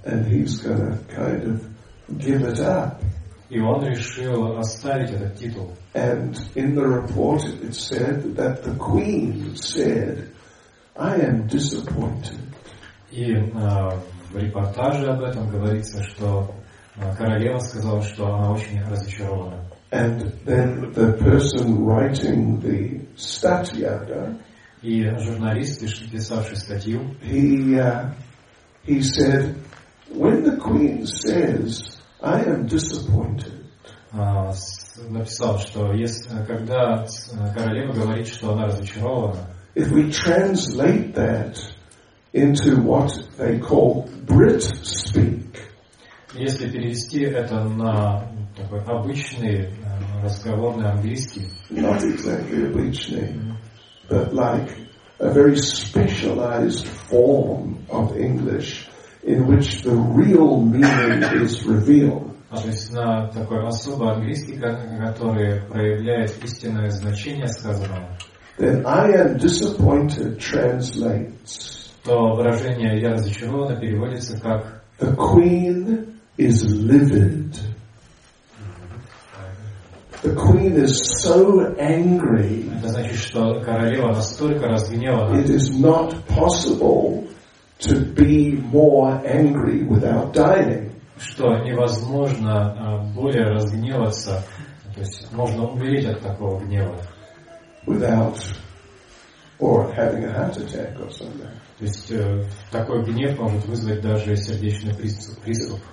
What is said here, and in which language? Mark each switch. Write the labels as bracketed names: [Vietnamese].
[English] And he's gonna kind of give it up. [Russian] И он решил оставить этот титул. [English] And in the report, it said that the Queen said, "I am disappointed." [Russian] И в репортаже об этом говорится, что королева сказала, что она очень разочарована. [English] And then the person writing the statyada, [Russian] и журналист, писавший статью, [English] he said, when the queen says, I am disappointed. [Russian] Написал, что когда королева говорит, что она разочарована. [English] If we translate that into what they call Brit speak. [Russian] Если перевести это на такой обычный разговорный английский. [English] Not exactly [Russian] обычный, [English] but like a very specialized form of English in which the real meaning is revealed. [Russian] А то есть на такой особый английский, который проявляет истинное значение сказанного. [English] Then I am disappointed translates. [Russian] То выражение «я разочарован» переводится как [English] «The queen is livid». The queen is so angry. [Russian] Это значит, что королева настолько разгневана. [English] It is not possible to be more angry without dying. [Russian] Что невозможно более разгневаться, то есть можно умереть от такого гнева. [English] Without or having a heart attack or something. [Russian] То есть такой гнев может вызвать даже сердечный приступ.